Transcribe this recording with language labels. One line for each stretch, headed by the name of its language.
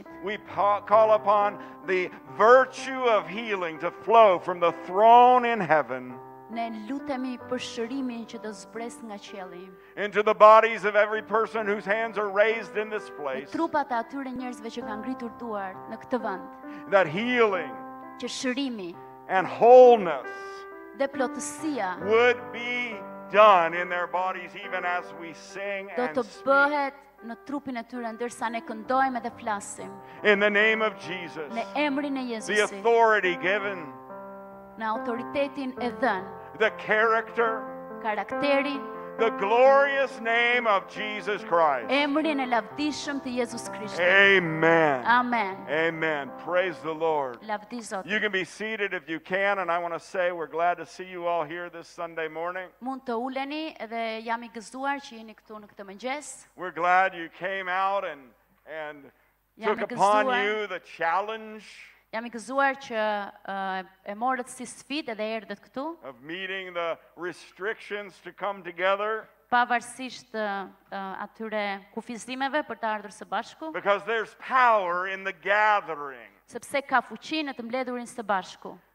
English: We call upon the virtue of healing to flow from the throne in heaven.
Albanian: Ne lutemi për shërimin që do zbres nga qielli.
English: Into the bodies of every person whose hands are raised in this place.
Albanian: Në trupat e atyre njerëzve që kanë ngritur duart në këtë vend.
English: That healing.
Albanian: Që shërimi.
English: And wholeness.
Albanian: Dhe plotësia.
English: Would be done in their bodies even as we sing and speak.
Albanian: Do të bëhet në trupin e tyre ndërsa ne këndojmë dhe flasim.
English: In the name of Jesus.
Albanian: Në emrin e Jezusit.
English: The authority given. The character,
Albanian: karakteri,
English: the glorious name of Jesus Christ.
Albanian: Emrin e lavdishëm të Jezus Krishtit.
English: Amen.
Albanian: Amen.
English: Amen. Praise the Lord.
Albanian: Lavdi Zotin.
English: You can be seated if you can, and I want to say we're glad to see you all here this Sunday morning.
Albanian: Mund të uleni dhe jam I gëzuar që jeni këtu në këtë mëngjes.
English: We're glad you came out and took upon you the challenge.
Albanian: Jam I gëzuar që e morët si sfidë edhe erdhët këtu.
English: Of meeting the restrictions to come together.
Albanian: Pavarësisht atyre kufizimeve për të ardhur së bashku.
English: Because there's power in the gathering.
Albanian: Sepse ka fuqi në të mbledhurin së bashku.